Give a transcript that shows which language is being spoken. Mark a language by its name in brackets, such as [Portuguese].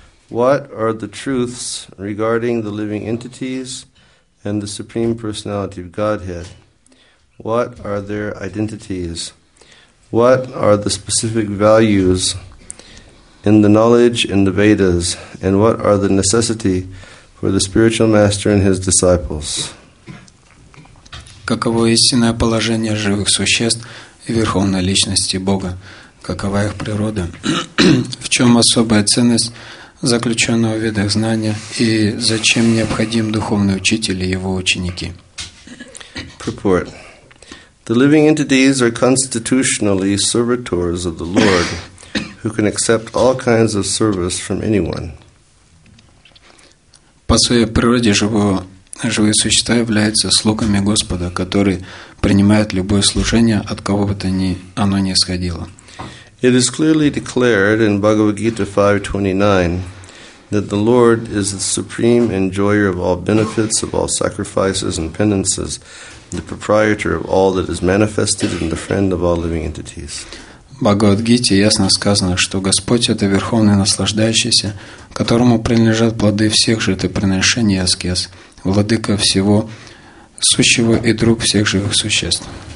[English] What are the truths regarding the living entities and the Supreme Personality of Godhead? What are their identities? What are the specific values in the knowledge in the Vedas? And what are the necessity for the spiritual master and his disciples? [Russian] Каково истинное положение живых существ и Верховной Личности Бога? Какова их природа? В чем особая ценность заключенного в ведах знания, и зачем необходим духовный учитель и его ученики. [English] Purport. The living entities are constitutionally servitors of the Lord, who can accept all kinds of service from anyone. [Russian] По своей природе живые существа являются слугами Господа, которые принимают любое служение, от кого бы то ни оно ни исходило. [English] It is clearly declared in Bhagavad Gita 5:29 that the Lord is the supreme enjoyer of all benefits, of all sacrifices and penances, the proprietor of all that is manifested, and the friend of all living entities. [Russian] В Бхагавад-гите ясно сказано, что Господь – это Верховный Наслаждающийся, которому принадлежат плоды всех жертвоприношений и аскез, Владыка всего сущего и друг всех живых существ.